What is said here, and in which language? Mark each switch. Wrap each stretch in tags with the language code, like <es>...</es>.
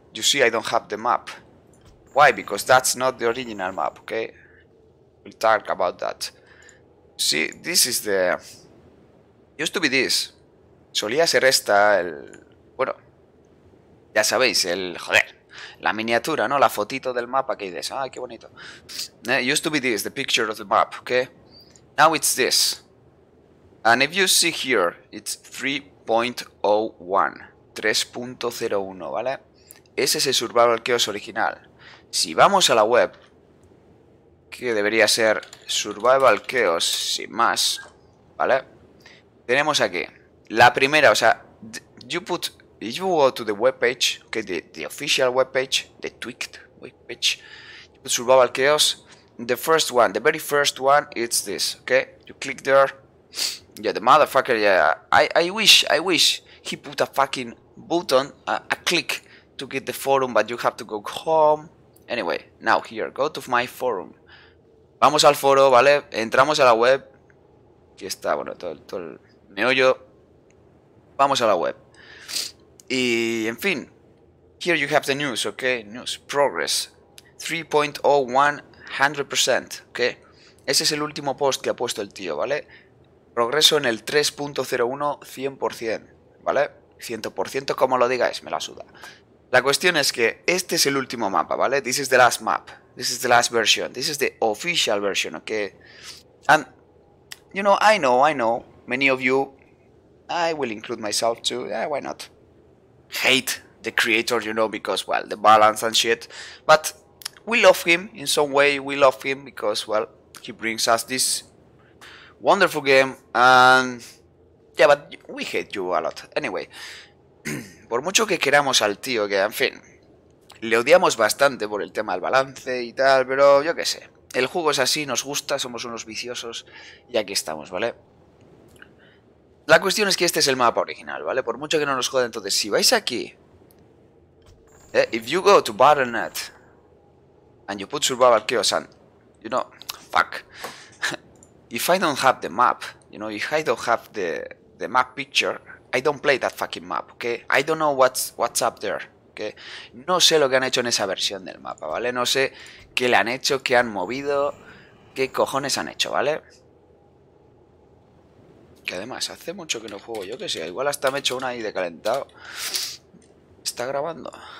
<en>You see, I don't have the map. Why? Because that's not the original map, okay? We'll talk about that. See, this is the. Used to be this.</en> <es>Solía ser esta, el. Bueno. Ya sabéis, el. Joder. La miniatura, ¿no? La fotito del mapa que dices. ¡Ay, qué bonito!</es> <en>Used to be this, the picture of the map, okay? Now it's this. And if you see here, it's 3.01.</en> <es>3.01, ¿vale? Ese es el Survival Chaos original. Si vamos a la web, que debería ser Survival Chaos, sin más, ¿vale? Tenemos aquí. La primera, o sea,</es> <en>you put. If you go to the webpage, okay, the official webpage, the tweaked webpage, you put Survival Chaos, the first one, the very first one, it's this, okay? You click there. Yeah, the motherfucker, yeah. I wish he put a fucking button, a click to get the forum, but you have to go home. Anyway, now here, go to my forum.</en> <es>Vamos al foro, ¿vale? Entramos a la web. Aquí está, bueno, todo el meollo. Vamos a la web. Y en fin,</es> <en>here you have the news, okay? News, progress 3.01 100%, okay?</en> <es>Ese es el último post que ha puesto el tío, ¿vale? Progreso en el 3.01 100%, ¿vale? 100% como lo digáis, me la suda. La cuestión es que este es el último mapa, ¿vale?</es> <en>This is the last map. This is the last version. This is the official version, okay? And you know, I know many of you, I will include myself too. Yeah, why not? Hate the creator, you know, because, well, the balance and shit. But we love him in some way. We love him because, well, he brings us this wonderful game. And yeah, but we hate you a lot.</en> <es>Anyway, por mucho que queramos al tío, que, en fin, le odiamos bastante por el tema del balance y tal, pero yo qué sé. El juego es así, nos gusta, somos unos viciosos y aquí estamos, ¿vale? La cuestión es que este es el mapa original, ¿vale? Por mucho que no nos jode, entonces, si vais aquí,</es> <en>if you go to Battle.net and you put Survival Chaos and, you know, fuck, if I don't have the map, you know, if I don't have the map picture, I don't play that fucking map, okay? I don't know what's up there, okay?</en> <es>No sé lo que han hecho en esa versión del mapa, ¿vale? No sé qué le han hecho, qué han movido, qué cojones han hecho, ¿vale? Que además hace mucho que no juego, yo que sé, igual hasta me he hecho una ahí de calentado. ¿Está grabando?</es>